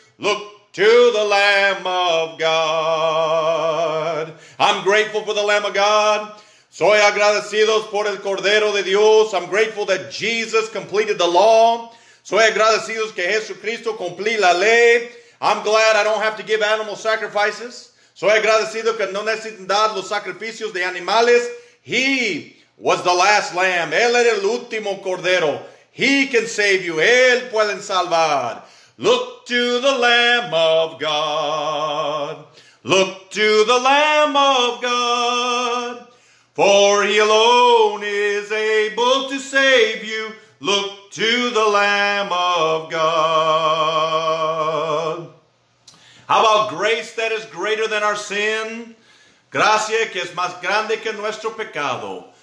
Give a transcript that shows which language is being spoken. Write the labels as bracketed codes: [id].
[en] Look to the Lamb of God. I'm grateful for the Lamb of God. [es] Soy agradecidos por el Cordero de Dios. [en] I'm grateful that Jesus completed the law. [es] Soy agradecidos que Jesucristo cumplí la ley. [en] I'm glad I don't have to give animal sacrifices. [es] Soy agradecido que no necesitan dar los sacrificios de animales. [en] He was the last lamb. [es] Él era el último cordero. [en] He can save you. [es] Él puede salvar. [en] Look to the Lamb of God. Look to the Lamb of God. For He alone is able to save you. Look to the Lamb of God. How about grace that is greater than our sin? [es] Gracia que es más grande que nuestro pecado.